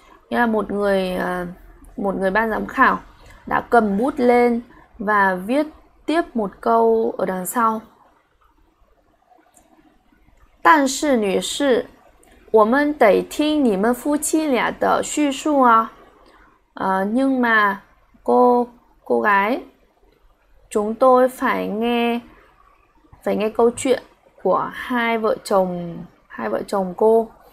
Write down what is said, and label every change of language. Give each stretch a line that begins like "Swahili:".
Vietnamese: Nghĩa là một người ban giám khảo đã cầm bút lên và viết tiếp một câu ở đằng sau.
Chinese: 但是女士，我们得听你们夫妻俩的叙述啊。
Vietnamese: Nhưng mà cô gái, chúng tôi phải nghe câu chuyện của hai vợ chồng cô.